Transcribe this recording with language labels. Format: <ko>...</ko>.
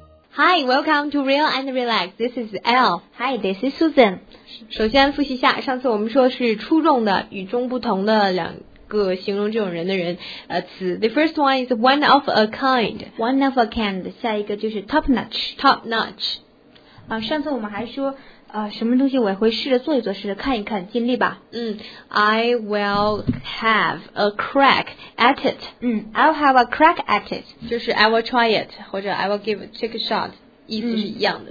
<en>Hi, welcome to Real and Relax. This is Elle. Hi, this is Susan.</en> <zh>首先复习一下，上次我们说是出众的、与众不同的两个形容这种人的人词。</zh> <en>The first one is one of a kind. One of a kind.</en> <zh>下一个就是</zh> <en>top notch. Top notch.</en> <zh>上次我们还说什么东西我也会试着做一做，试着看一看，尽力吧。</zh> <en>I will have a crack at it. I'll have a crack at it.</en> <zh>就是</zh> <en>I will try it,</en> <zh>或者</zh> <en>I will give it, take a shot,</en> <zh>意思是一样的。</zh>